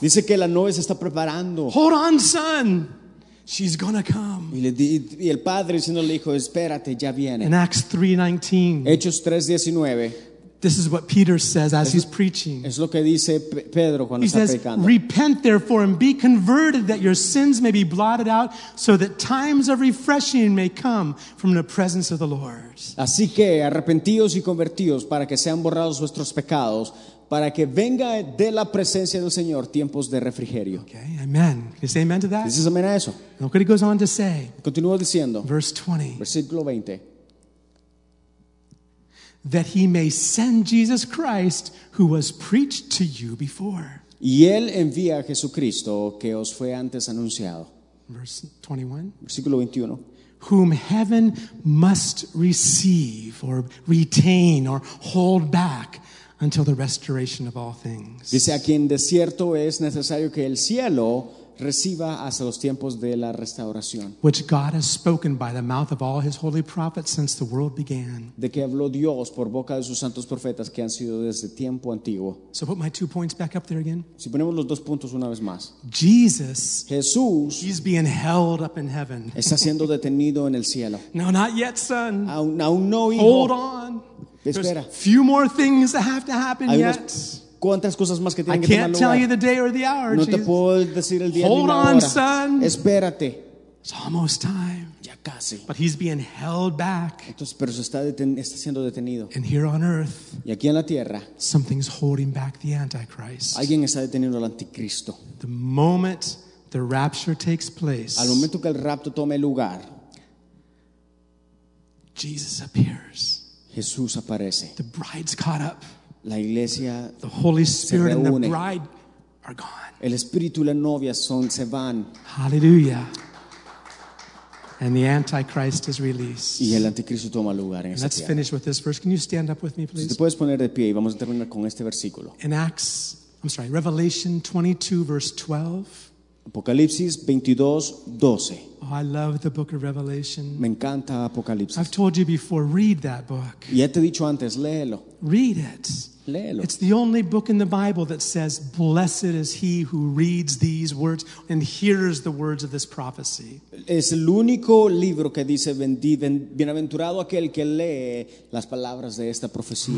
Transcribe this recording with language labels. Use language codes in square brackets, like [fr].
[es] Dice que la novia se está preparando. [en] Hold on, son. She's gonna come. [es] Y el padre diciéndole al hijo, espérate, ya viene. [en] In Acts 3:19. [es] Hechos 3:19. [en] This is what Peter says as he's preaching. [es] Es lo que dice Pedro cuando [en] he [es] está [en] says, [es] predicando. [en] Repent therefore and be converted that your sins may be blotted out so that times of refreshing may come from the presence of the Lord. [es] Así que arrepentíos y convertíos para que sean borrados vuestros pecados para que venga de la presencia del Señor tiempos de refrigerio. [en] Okay, amen. Can you say amen to that? [es] Dices amen a eso. [en] Look what he goes on to say. [es] Continúa diciendo. [en] Verse 20. [es] Versículo 20. [en] That he may send Jesus Christ, who was preached to you before. [es] Y él envía a Jesucristo que os fue antes anunciado. [en] Verse 21. [es] Versículo 21. [en] Whom heaven must receive or retain or hold back until the restoration of all things. [es] Dice a quien de cierto es necesario que el cielo reciba hasta los tiempos de la restauración. [en] Which God has spoken by the mouth of all his holy prophets since the world began. [es] De que habló Dios por boca de sus santos profetas que han sido desde tiempo antiguo. [en] So put my 2 points back up there again. [es] Si ponemos los 2 puntos una vez más. [en] Jesus. [es] Jesús. [en] He's being held up in heaven. [es] Está siendo detenido en el cielo. [en] No, not yet, son. [es] Aún no, hijo. [en] Hold on. [es] Espera. [en] There's few more things that have to happen yet. [es] ¿Cuántas cosas más que tienen que tomar lugar? [en] Tell you the day or the hour, [es] no [en] Jesus. [es] Te puedo decir el día [en] Hold [es] ni la [en] on, [es] hora. [en] Son. [es] Espérate. [en] It's almost time. [es] Ya casi. [en] But he's being held back. [es] Entonces, pero está siendo detenido. [en] And here on earth, [es] y aquí en la tierra, [en] something's holding back the Antichrist. [es] Alguien está deteniendo al Anticristo. [en] The moment the rapture takes place, [es] al momento que el rapto tome lugar, [en] Jesus appears. [es] Jesús aparece. [en] The bride's caught up. [es] La iglesia [en] the Holy Spirit and the bride are gone. [es] El espíritu y la novia son, se van. [en] Hallelujah. And the Antichrist is released. [es] Y el anticristo toma lugar en [en] and [es] esa [en] let's [es] tierra. [en] Finish with this verse. Can you stand up with me, please? [es] Si te puedes poner de pie y vamos a terminar con este versículo. [en] In Acts, I'm sorry, Revelation 22, verse 12. [es] Apocalipsis 22, 12. [en] Oh, I love the book of Revelation. [es] Me encanta Apocalipsis. [en] I've told you before, read that book. [es] Ya te he dicho antes, léelo. [en] Read it. [es] Léelo. [en] It's the only book in the Bible that says, blessed is he who reads these words and hears the words of this prophecy. [es] Es el único libro que dice, bienaventurado aquel que lee las palabras de esta profecía.